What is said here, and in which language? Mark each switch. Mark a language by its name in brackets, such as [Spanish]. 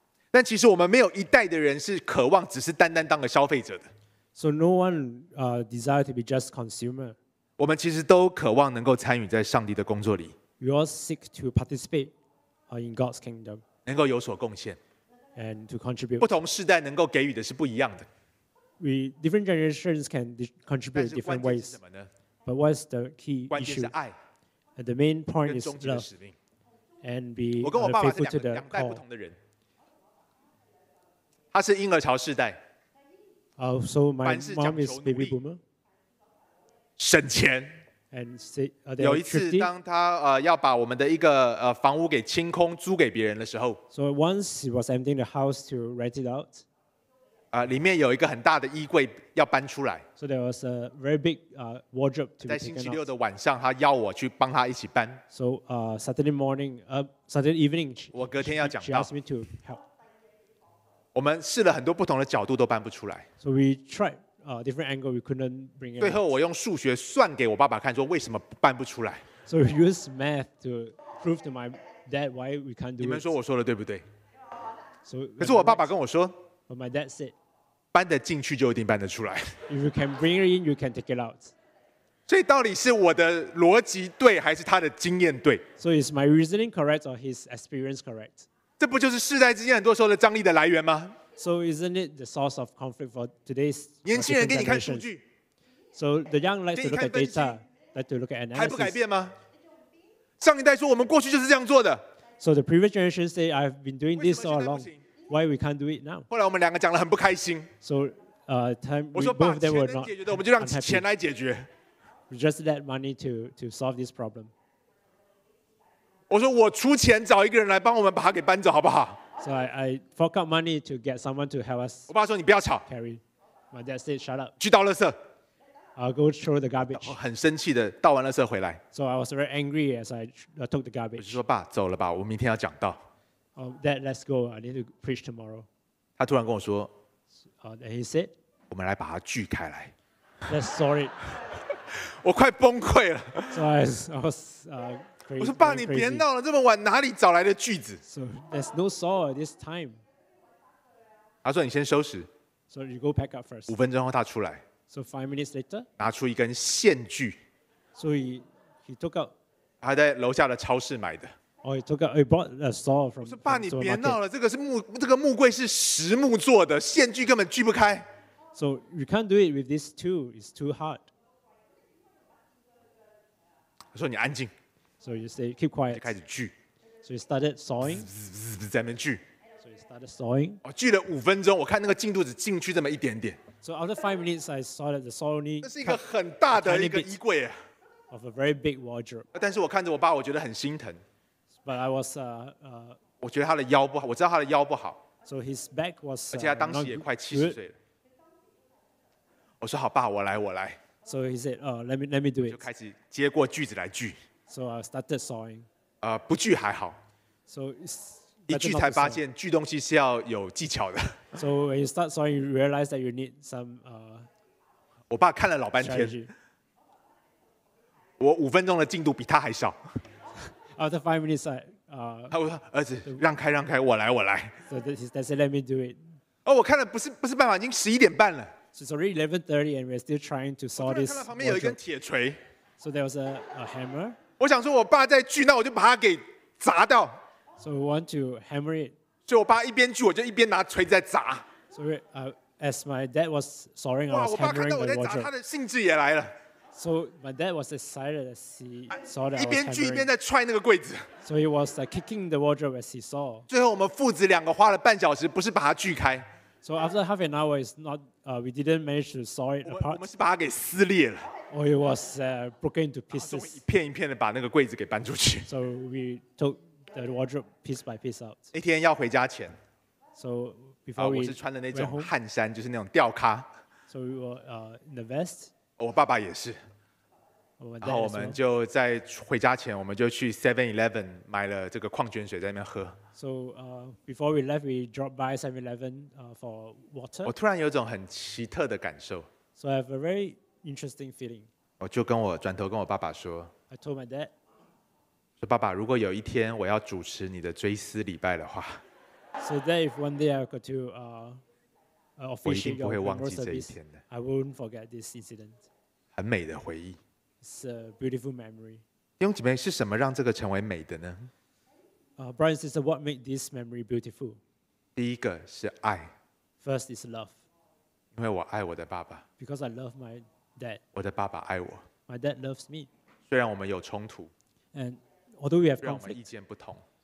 [Chinese] 但其实我们没有一代的人是渴望只是单单当个消费者的。 [English] So no one desire to be just consumer. [Chinese] 我们其实都渴望能够参与在上帝的工作里。 [English] We all seek to participate in God's kingdom. [Chinese] 能够有所贡献。 [English] And to contribute. [Chinese] 不同世代能够给予的是不一样的。 [English] We different generations can contribute different ways. [Chinese] 但是关键是什么呢？ [English] But what's the key issue? [Chinese] 关键是爱。 [English] And the main point is love. [Chinese] 跟终极的使命。 [English] And be faithful to the [Chinese] 我跟我爸爸是两代不同的人。他是婴儿潮世代。 [English] So my mom is baby boomer. [Chinese] 省钱。 [English] And say, are [Chinese] 有一次当他要把我们的一个房屋给清空租给别人的时候。 [English] So once he was emptying the house to rent it out. [Chinese] 里面有一个很大的衣柜要搬出来。 [English] So there was a very big wardrobe to be [Chinese] 在星期六的晚上他要我去帮他一起搬。 [English] So Saturday morning, Saturday evening, [Chinese] 我隔天要讲道。 [English] She asked me to help. [Chinese] 我们试了很多不同的角度都搬不出来。 [English] So we tried different angle, we couldn't bring it. [Chinese] 最后我用数学算给我爸爸看，说为什么搬不出来。 [English] So we use math to prove to my dad why we can't do it. [Chinese] 你们说我说的对不对？ [English] So, [Chinese] 可是我爸爸跟我说， [English] But my dad said, [Chinese] 搬得进去就一定搬得出来。 [English] If you can bring it in, you can take it out. [Chinese] 所以到底是我的逻辑对，还是他的经验对？ [English] So is my reasoning correct or his experience correct? [Chinese] 这不就是世代之间很多时候的张力的来源吗？ [English] So isn't it the source of conflict for today's [Chinese] 年轻人给你看数据。 [English] So the young like to look at data, like to look at analysis. [Chinese] 还不改变吗？上一代说我们过去就是这样做的。 [English] So the previous generation say I've been doing this all along. Why we can't do it now? [Chinese] 后来我们两个讲得很不开心。 [English] So time we both they were not. [Chinese] 我们就让钱来解决。 [English] We just let money to solve this problem. [Chinese] 我说我出钱找一个人来帮我们把他给搬走，好不好 [English] ？So I fork out money to get someone to help us. [Chinese] 我爸说你不要吵。 [English] Carry. My dad said, "Shut up." [Chinese] 去倒垃圾。 [English] I'll go throw the garbage. [Chinese] 我很生气的倒完垃圾回来。 [English] So I was very angry as I took the garbage. [Chinese] 我就说爸，走了吧，我明天要讲道。 [English] Dad, let's go. I need to preach tomorrow. [Chinese] 他突然跟我说。 [English] And he said, [Chinese] 我们来把它锯开来。 [English] Let's saw it. [Chinese] 我快崩溃了。 [English] So I was. [Chinese] 我说爸，你别闹了，这么晚哪里找来的锯子 [English] ？So there's no saw this time. [Chinese] 他说你先收拾。 [English] So you go pack up first. [Chinese] 五分钟后他出来。 [English] So 5 minutes later. [Chinese] 拿出一根线锯。 [English] So he took out. [Chinese] 他在楼下的超市买的。 [English] Oh, he took out. He bought a saw from. [Chinese] 我说爸，你别闹了，这个木柜是实木做的，线锯根本锯不开。 [English] So you can't do it with this tool. It's too hard. [Chinese] 他说你安静。 [English] So you say keep quiet. [Chinese] 就开始锯。 [English] So you started sawing. [Chinese] 滋滋滋在那边锯。 [English] So you started sawing. [Chinese] 我锯了五分钟，我看那个进度只进去这么一点点。 [English] So after 5 minutes, I saw that the saw only. [Chinese] 那是一个很大的一个衣柜。 [English] Of a very big wardrobe. [Chinese] 但是我看着我爸，我觉得很心疼。 [English] But I was [Chinese] 我觉得他的腰不好，我知道他的腰不好。 [English] So his back was. [Chinese] 而且他当时也快70岁了。我说好，爸，我来，我来。 [English] So he said, let me do it. [Chinese] 就开始接过锯子来锯。 [English] So I started sawing. [Chinese] 不锯还好。 [English] So it's [Chinese] 一锯才发现锯东西是要有技巧的。 [English] So when you start sawing, you realize that you need some [Chinese] 我爸看了老半天。 [English] Strategy. [Chinese] 我五分钟的进度比他还少。 [English] After 5 minutes, [Chinese] 他说：“儿子，让开让开，我来我来。 [English] ”So they said, "Let me do it." [Chinese] 哦，我看了不是办法，已经十一点半了。 [English] So it's already 11:30, and we're still trying to solve this. [Chinese] 我看到旁边有一根铁锤。 [English] So there was a hammer. [Chinese] 我想说，我爸在锯，那我就把他给砸到。 [English] So we want to hammer it. [Chinese] 所以我爸一边锯，我就一边拿锤子在砸。 [English] So as my dad was sawing, I was hammering the wardrobe. [Chinese] 我爸看到我在砸，他的兴致也来了。 [English] So my dad was excited as he saw that. [Chinese] 一边锯一边在踹那个柜子。 [English] So he was kicking the wardrobe as he saw. [Chinese] 最后我们父子两个花了半小时，不是把它锯开。 [English] So after half an hour, it's not. We didn't manage to saw it apart. [Chinese] 我们是把它给撕裂了。 [English] Or it was broken into pieces. [Chinese] 一片一片的把那个柜子给搬出去。 [English] So we took the wardrobe piece by piece out. [Chinese] 那天要回家前。 [English] So before we. [Chinese] 我是穿的那种汗衫，就是那种吊咖。 [English] So we were in the vest. [Chinese] 我爸爸也是，然后我们就在回家前，我们就去 7-Eleven 买了这个矿泉水在那边喝。 [English] So before we left, we dropped by 7-Eleven for water. [Chinese] 我突然有种很奇特的感受。 [English] So I have a very interesting feeling. [Chinese] 我就跟我转头跟我爸爸说 [English] ，I told my dad， [Chinese] 说爸爸，如果有一天我要主持你的追思礼拜的话 [English] ，So that if one day I got to [Chinese] 我一定不会忘记这一天的。 [English] I won't forget this incident. [Chinese] 很美的回忆。 [English] It's a beautiful memory. [Chinese] 弟兄姐妹，是什么让这个成为美的呢？ [English] Brothers and sisters, what made this memory beautiful? [Chinese] 第一个是爱。 [English] First is love. [Chinese] 因为我爱我的爸爸。 [English] Because I love my dad. [Chinese] 我的爸爸爱我。 [English] My dad loves me. [Chinese] 虽然我们有冲突。 [English] And although we have conflict. [Chinese] 虽然我们意见不同。